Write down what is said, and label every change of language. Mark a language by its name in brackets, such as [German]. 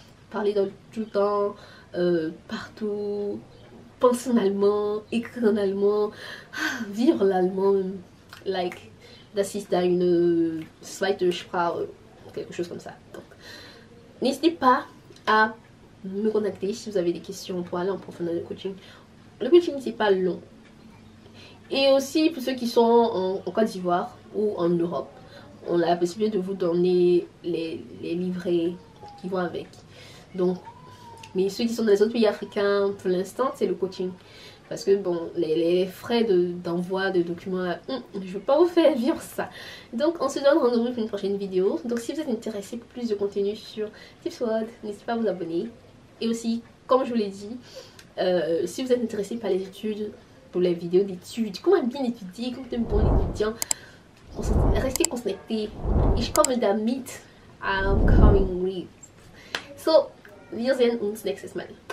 [French] Parler dans tout le temps, partout. Penser en allemand, écrire en allemand, vivre l'allemand. [German] Like, das ist eine zweite Sprache, [French] quelque chose comme ça. Donc, n'hésitez pas à me contacter si vous avez des questions pour aller en profondeur de coaching. Le coaching, c'est pas long. Et aussi, pour ceux qui sont en Côte d'Ivoire ou en Europe, on a la possibilité de vous donner les livrets qui vont avec. Donc, mais ceux qui sont dans les autres pays africains, pour l'instant, c'est le coaching. Parce que, bon, les frais d'envoi de documents, je ne veux pas vous faire vivre ça. Donc, on se donne rendez-vous pour une prochaine vidéo. Donc, si vous êtes intéressé pour plus de contenu sur TipsWord, n'hésitez pas à vous abonner. Et aussi, comme je vous l'ai dit, si vous êtes intéressé par les études, pour les vidéos d'études, comment bien étudier, comment être un bon étudiant, restez connectés. [German] Ich komme damit. [English] I'm coming with. [German] So, wir sehen uns nächstes Mal.